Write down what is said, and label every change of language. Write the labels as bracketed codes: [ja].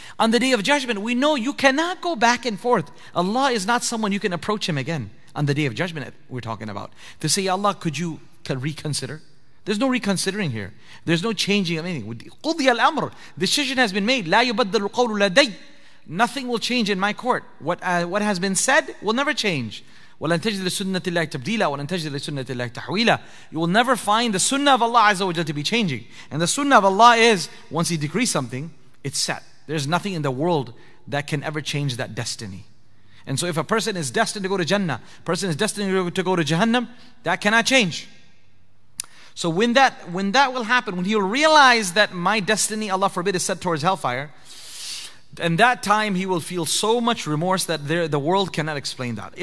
[en] On the day of judgment, we know you cannot go back and forth. Allah is not someone you can approach him again on the day of judgment we're talking about. To say, ya Allah, could you reconsider? There's no reconsidering here. There's no changing of anything. [ar] قضي الأمر. [en] Decision has been made. [ar] لا يبدل القول لدي. [en] Nothing will change in my court. What has been said will never change. [ar] ولن تجد لسنة الله تبديلا ولن تجد لسنة الله تحويلا. [en] You will never find the sunnah of Allah Azza wa Jalla to be changing. And the sunnah of Allah is, once He decrees something, it's set. There's nothing in the world that can ever change that destiny. And so if a person is destined to go to Jannah, person is destined to go to Jahannam, that cannot change. So when that will happen, when he'll realize that my destiny, Allah forbid, is set towards hellfire, and that time he will feel so much remorse that the world cannot explain that.